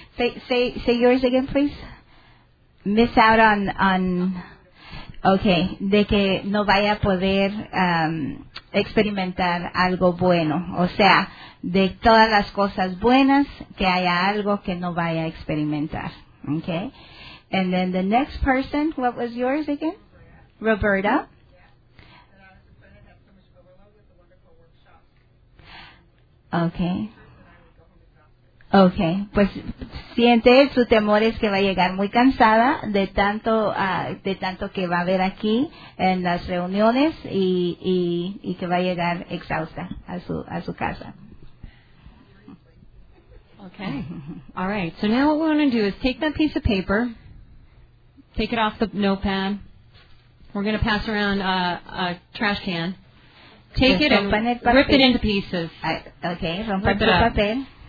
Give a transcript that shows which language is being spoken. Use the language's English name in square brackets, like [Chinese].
[English] Say yours again, please. Miss out on... [Spanish] Okay, de que no vaya a poder experimentar algo bueno. O sea, de todas las cosas buenas, que haya algo que no vaya a experimentar. [English] Okay? And then the next person, what was yours again? Roberta. Yeah. Okay. [Spanish] Okay, pues siente su temor es que va a llegar muy cansada de tanto que va a haber aquí en las reuniones y que va a llegar exhausta a su casa. [English] Okay, all right. So now what we want to do is take that piece of paper, take it off the notepad. We're going to pass around a trash can. Take it and rip it into pieces. [Spanish] Okay, rompa el papel.